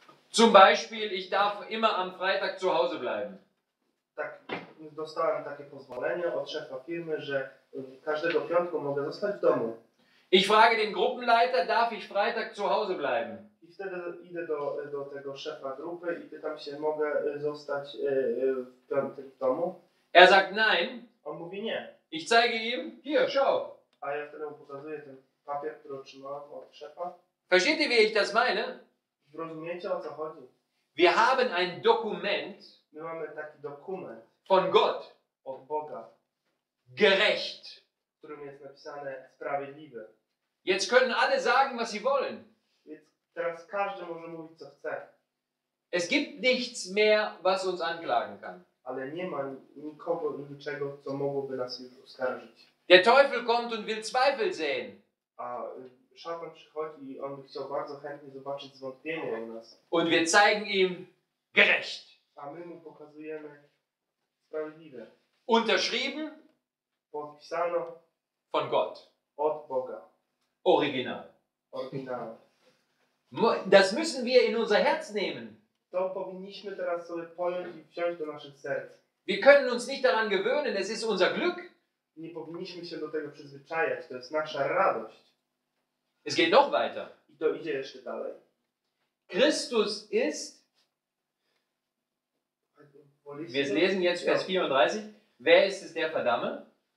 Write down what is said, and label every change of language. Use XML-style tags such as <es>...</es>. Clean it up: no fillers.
<de>Zum Beispiel, ich darf immer am Freitag zu Hause bleiben.</de> <pl>Tak, dostałem takie pozwolenie od szefa firmy, że każdego piątku mogę zostać w domu.</pl> <de>Ich frage den Gruppenleiter, darf ich Freitag zu Hause bleiben?</de> <pl>Wtedy idę do tego szefa grupy i pytam się, mogę zostać w piątek w domu?</pl> <de>Er sagt nein.</de> <pl>On mówi nie.</pl> <de>Ich zeige ihm, hier, schau.</de> <pl>A ja wtedy mu pokazuję ten papier, który otrzymałem od szefa.</pl> <de>Versteht ihr, wie ich das meine?</de> <pl>Rozumiecie, o co chodzi?</pl> <de>Wir haben ein Dokument.</de> <pl>My mamy taki dokument.</pl> <de>Von Gott.</de> <pl>Od Boga.</pl> <de>Gerecht.</de> <pl>W którym jest napisane sprawiedliwe.</pl> <de>Jetzt können alle sagen, was sie wollen.</de> <pl>Teraz każdy może mówić, co chce.</pl> <de>Es gibt nichts mehr, was uns anklagen kann.</de> <pl>Ale nie ma nikogo, niczego, co mogłoby nas już oskarżyć.</pl> <de>Der Teufel kommt und will Zweifel sehen.</de> <pl>A szatan przychodzi i on by chciał bardzo chętnie zobaczyć zwątpienie u nas.</pl> <de>Und wir zeigen ihm gerecht.</de> <pl>A my mu pokazujemy sprawiedliwe.</pl> <de>Unterschrieben.</de> <pl>Podpisano.</pl> <de>Von Gott.</de> <pl>Od Boga.</pl> <de>Original.</de> <pl>Original.</pl> <de>Das müssen wir in unser Herz nehmen.</de> <pl>To powinniśmy teraz sobie pojąć i wziąć do naszych serc.</pl> <de>Wir können uns nicht daran gewöhnen, es ist unser Glück.</de> <pl>Nie powinniśmy się do tego przyzwyczajać, to jest nasza radość.</pl> <de>Es geht noch weiter.</de> <pl>I to idzie jeszcze dalej.</pl> <de>Christus ist... Wir lesen jetzt Vers 34. Wer ist es, der verdamme?</de>